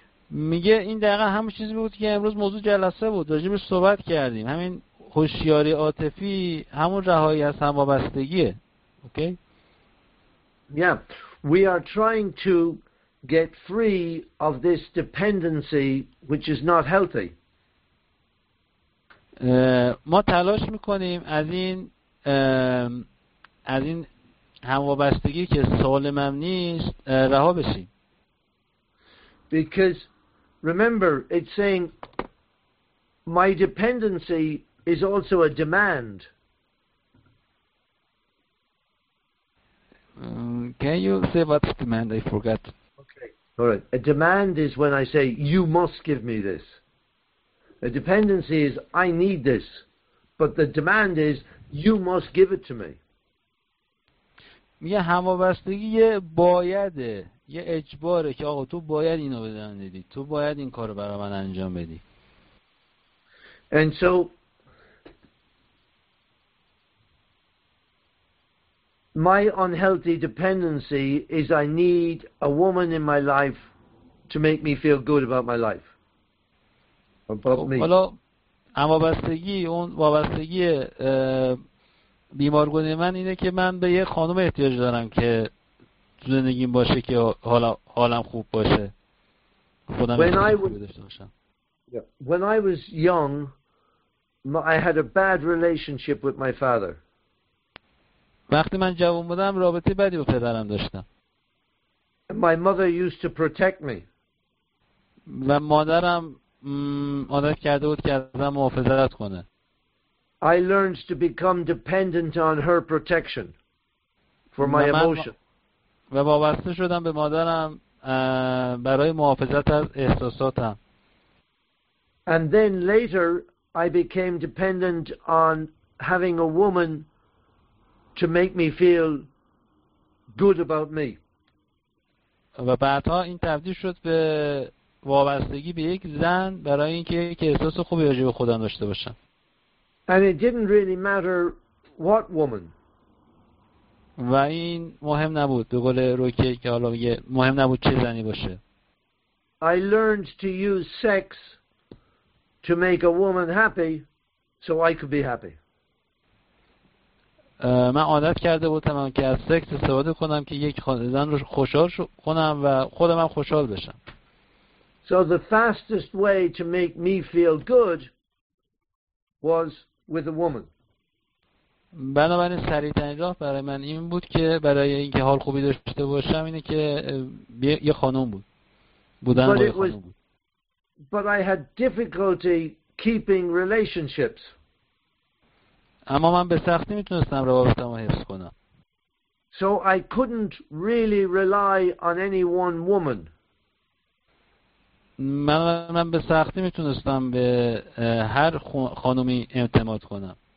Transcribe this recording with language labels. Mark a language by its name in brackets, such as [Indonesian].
[Persian] میگه این دقیقا همون چیزی بود که امروز موضوع جلسه بود راجبش صحبت کردیم. همین هوشیاری عاطفی همون رهایی از همبستگیه. [English] Okay? Yeah. We are trying to get free of this dependency which is not healthy. [Persian] ما تلاش میکنیم از این همبستگی که سالم هم نیست رها بشیم. [English] Because remember, it's saying my dependency is also a demand. Can you say what's demand? I forgot. Okay, all right. A demand is when I say, you must give me this. A dependency is, I need this. But the demand is, you must give it to me. [Persian] یه همبستگی یه بایده، یه اجباره که آقا تو باید اینو بدن دیدی، تو باید این کارو برای من انجام بدی. [English] And so my unhealthy dependency is I need a woman in my life to make me feel good about my life. [Persian] حالا همبستگی اون وابستگی بیمارگونه من اینه که من به یه خانم احتیاج دارم که زندگیم باشه که حالم خوب باشه. خودم [English] When I was young, I had a bad relationship with my father. [Persian] وقتی من جوان بودم رابطه بدی با پدرم داشتم. [English] My mother used to protect me. [Persian] و مادرم عادت کرده بود که ازم محافظت کنه. [English] I learned to become dependent on her protection for my emotion. [Persian] و وابسته شدم به مادرم برای محافظت از احساساتم. [English] And then later I became dependent on having a woman to make me feel good about me. [Persian] و بعدها این تبدیل شد به وابستگی به یک زن برای اینکه یک احساس خوبی راجع به خودم داشته باشم. [English] And it didn't really matter what woman. [Persian] و این مهم نبود. به قول روکی که حالا میگه مهم نبود چه زنی باشه. [English] I learned to use sex to make a woman happy so I could be happy. [Persian] من عادت کرده بودم که از سکس استفاده کنم که یک زن رو خوشحال کنم و خودم هم خوشحال بشم. [English] So the fastest way to make me feel good was with a woman. [Persian] بنابراین سریع‌ترین راه برای من این بود که برای اینکه حال خوبی داشته باشم اینه که یه خانم بود. بودن با یه خانم بود. [English] But I had difficulty keeping relationships. [Persian] اما من به سختی میتونستم روابطم رو حفظ کنم. [English] So I couldn't really rely on any one woman. [Persian] من به سختی میتونستم به هر خانومی اعتماد کنم.